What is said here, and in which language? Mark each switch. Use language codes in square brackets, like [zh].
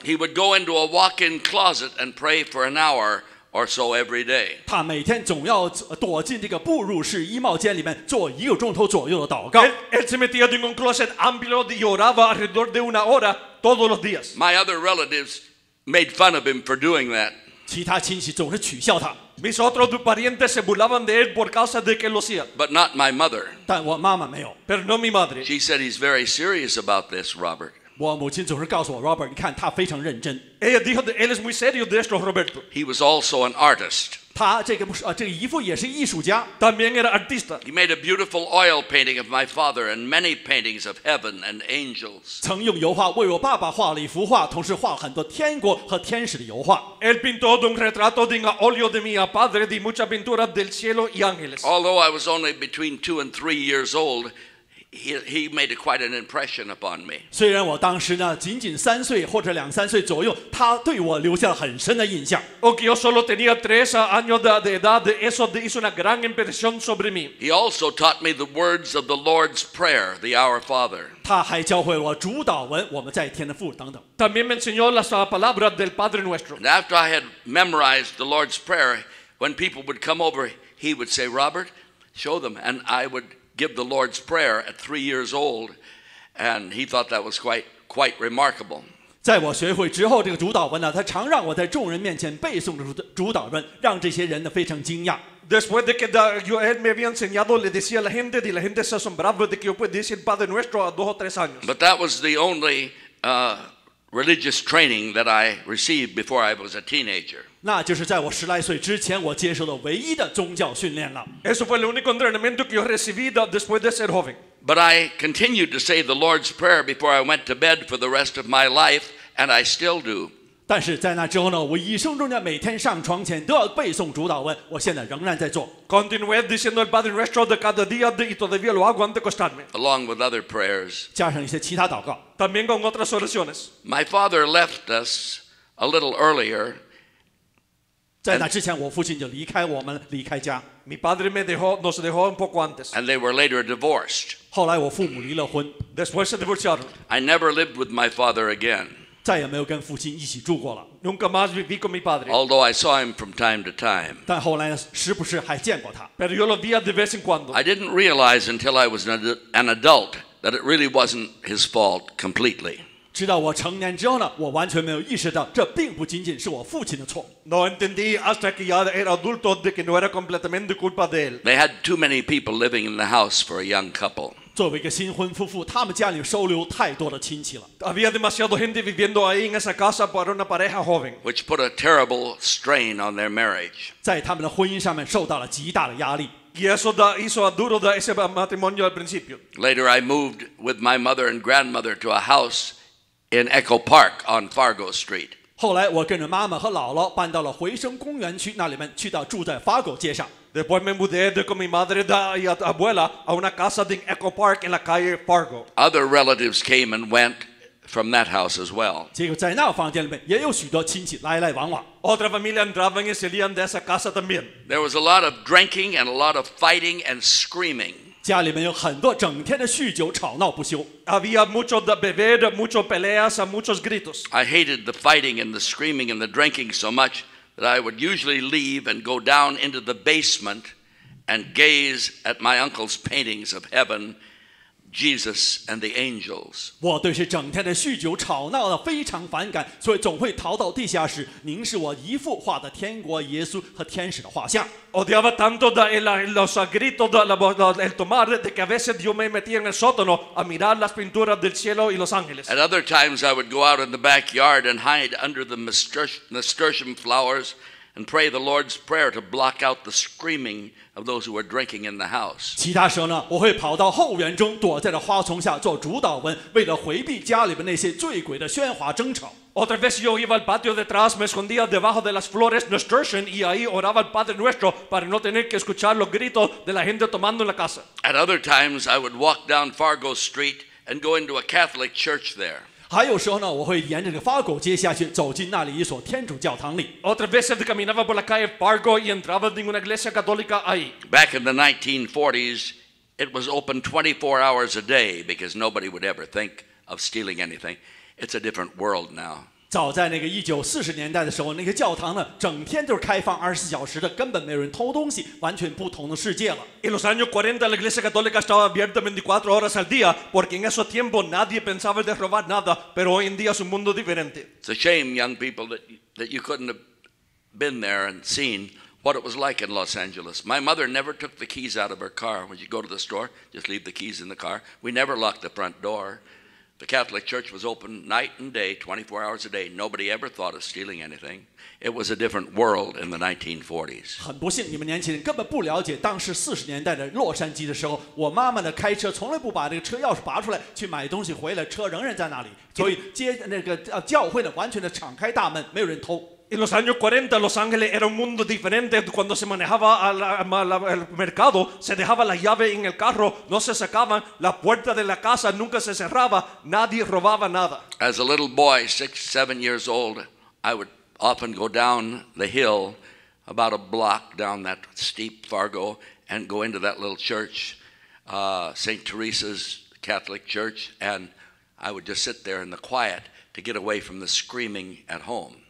[en] He would go into a walk-in closet and pray for an hour or so every day. [zh] 他每天总要躲进这个步入式衣帽间里面做一个钟头左右的祷告。 [es] Él se metía en un closet amplio y oraba alrededor de una hora todos los días. [en] My other relatives made fun of him for doing that. [zh] 其他亲戚总是取笑他。 [es] Mis otros parientes se burlaban de él por causa de que lo hacía. [en] But not my mother. [zh] 但我妈妈没有。 [es] Pero no mi madre. [en] She said he's very serious about this, Robert. [zh] 我母亲总是告诉我 ，Robert， 你看他非常认真。 [es] Ella dijo que él es muy serio de esto, Roberto. [en] He was also an artist. [zh] 他这个姨父也是艺术家。 [es] También era artista. [en] He made a beautiful oil painting of my father and many paintings of heaven and angels. [zh] 曾用油画为我爸爸画了一幅画，同时画很多天国和天使的油画。 [es] Él pintó un retrato de un óleo de mi padre y muchas pinturas del cielo y ángeles. [en] Although I was only between 2 and 3 years old, he made quite an impression upon me. [zh] 虽然我当时呢仅仅三岁或者两三岁左右，他对我留下了很深的印象。 [es] Aunque yo solo tenía 3 años de edad, eso hizo una gran impresión sobre mí. [en] He also taught me the words of the Lord's Prayer, the Our Father. [zh] 他还教会我主祷文，我们在天的父等等。 [es] También me enseñó las palabras del Padre Nuestro. [en] And after I had memorized the Lord's Prayer, when people would come over, he would say, "Robert, show them," and I would. Give the Lord's Prayer at 3 years old, and he thought that was quite remarkable. [zh] 在我学会之后，这个主导文呢，他常让我在众人面前背诵着主导文，让这些人呢非常惊讶。 [es] Después de que yo él me había enseñado, le decía a la gente, y la gente se asombraba de que yo pudiese decir Padre Nuestro a 2 o 3 años. [en] But that was the only religious training that I received before I was a teenager. [zh] 那就是在我十来岁之前，我接受的唯一的宗教训练了。 [es] Eso fue el único entrenamiento que yo recibí después de ser joven. [en] But I continued to say the Lord's Prayer before I went to bed for the rest of my life, and I still do. [zh] 但是在那之后呢，我一生中间每天上床前都要背诵主导文，我现在仍然在做。 [es] Continué diciendo el Padre Nuestro de cada día y todavía lo hago antes de acostarme. [en] Along with other prayers. [zh] 加上一些其他祷告。 [es] También con otras oraciones. [en] My father left us a little earlier. [zh] 在那之前，我父亲就离开我们，离开家。 [es] Mi padre me dejó, nos dejó un poco antes. [en] And they were later divorced. [zh] 后来我父母离了婚。 [es] Después se divorciaron. [en] I never lived with my father again. [zh] 再也没有跟父亲一起住过了。 [es] Nunca más viví con mi padre. [en] Although I saw him from time to time. [zh] 但后来时不时还见过他。 [es] Pero yo lo vi de vez en cuando. [en] I didn't realize until I was an adult that it really wasn't his fault completely. [zh] 直到我成年之后呢，我完全没有意识到这并不仅仅是我父亲的错。 [es] No entendí hasta que ya era adulto de que no era completamente culpa de él. [en] They had too many people living in the house for a young couple. [zh] 作为一个新婚夫妇，他们家里收留太多的亲戚了。 [es] Había demasiado gente viviendo ahí en esa casa para una pareja joven. [en] Which put a terrible strain on their marriage. [zh] 在他们的婚姻上面受到了极大的压力。 [es] Y eso da, hizo duro de ese matrimonio al principio. [en] Later, I moved with my mother and grandmother to a house. In Echo Park on Fargo Street. [zh] 后来我跟着妈妈和姥姥搬到了回声公园区那里面，去到住在 Fargo 街上。 [es] Después me mudé con mi madre y abuela a una casa en Echo Park en la calle Fargo. [en] Other relatives came and went from that house as well. [zh] 结果在那房间里面也有许多亲戚来来往往。 [es] Otra familia entraba y salía de esa casa también. [en] There was a lot of drinking and a lot of fighting and screaming. [zh] 家里面有很多整天的酗酒吵闹不休。 [es] Había mucho de beber, mucho peleas, muchos gritos. [en] I hated the fighting and the screaming and the drinking so much that I would usually leave and go down into the basement and gaze at my uncle's paintings of heaven Jesus and the angels. [zh] 我对是整天的酗酒吵闹的非常反感，所以总会逃到地下室。您是我一幅画的天国耶稣和天使的画像。 [es] Odiaba tanto los gritos de la el tomar de que a veces yo me metía en el sótano a mirar las pinturas del cielo y los ángeles. [en] At other times, I would go out in the backyard and hide under the nasturtium flowers and pray the Lord's prayer to block out the screaming. Of those who were drinking in the house. [zh] 其他时候呢，我会跑到后园中，躲在了花丛下做主祷文，为了回避家里边那些醉鬼的喧哗争吵。 [es] Otra vez yo iba al patio detrás, me escondía debajo de las flores nasturtium y ahí oraba al Padre Nuestro para no tener que escuchar los gritos de la gente tomando en la casa. [en] At other times, I would walk down Fargo Street and go into a Catholic church there. [zh] 还有时候呢，我会沿着法国街下去，走进那里一所天主教堂里。 [es] Otra vez caminaba por la calle Fargo y entraba en una iglesia católica ahí. [en] Back in the 1940s, it was open 24 hours a day because nobody would ever think of stealing anything. It's a different world now. [zh] 早在那个1940年代的时候，那个教堂呢，整天都是开放24小时的，根本没人偷东西，完全不同的世界了。 [es] En los años 40, la iglesia católica estaba abierta 24 horas al día, porque en esos tiempos nadie pensaba de robar nada, pero hoy en día es un mundo diferente. [en] It's a shame, young people, that you couldn't have been there and seen what it was like in Los Angeles. My mother never took the keys out of her car. When you go to the store, just leave the keys in the car. We never locked the front door. The Catholic Church was open night and day, 24 hours a day. Nobody ever thought of stealing anything. It was a different world in the 1940s. [zh] 很不幸，你们年轻人根本不了解当时40年代的洛杉矶的时候，我妈妈的开车从来不把这个车钥匙拔出来去买东西，回来车仍然在那里。所以接那个教会呢，完全的敞开大门，没有人偷。 [es] En los años 40, Los Ángeles era un mundo diferente. Cuando se manejaba al mercado, se dejaba la llave en el carro, no se sacaban, la puerta de la casa nunca se cerraba, nadie robaba nada. [en] As a little boy, 6-7 years old, I would often go down the hill, about a block down that steep Fargo, and go into that little church, St. Teresa's Catholic Church, and I would just sit there in the quiet to get away from the screaming at home.